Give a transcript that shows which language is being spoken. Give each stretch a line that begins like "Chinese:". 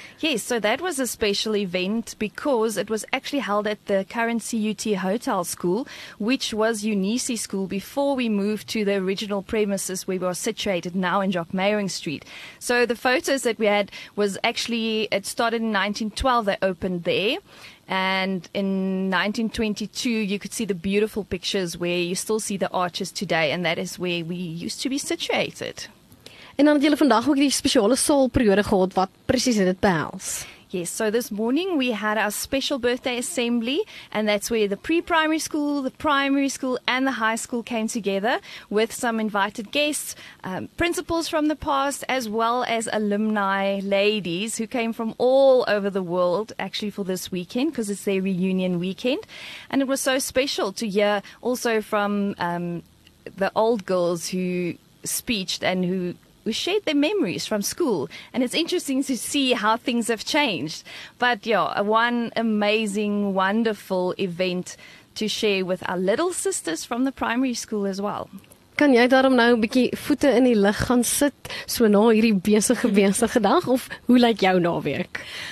English: Yes, so that was a special event because it was actually held at the current CUT Hotel School, which was Unisi School before we moved to the original premises where we are situated now in Jock Meyering Street. So the photos that we had was actually, it started in 1912, they opened there. And in 1922, you could see the beautiful pictures where you still see the arches today, and that is where we used to be situated.
Afrikaans: En dan het julle vandag ook die spesiale saalperiode gehad, wat precies het dit behels?
English: Yes, so this morning we had our special birthday assembly, and that's where the pre-primary school, the primary school, and the high school came together with some invited guests, principals from the past, as well as alumni ladies who came from all over the world, actually, for this weekend, because it's their reunion weekend. And it was so special to hear also from the old girls who speeched and who We shared their memories from school, and it's interesting to see how things have changed. But yeah, one amazing, wonderful event to share with our little sisters from the primary school as well.
Afrikaans: Kan jy daarom nou 'n bietjie voete in die lug gaan sit, so na hierdie besige dag, of hoe lyk jou naweek?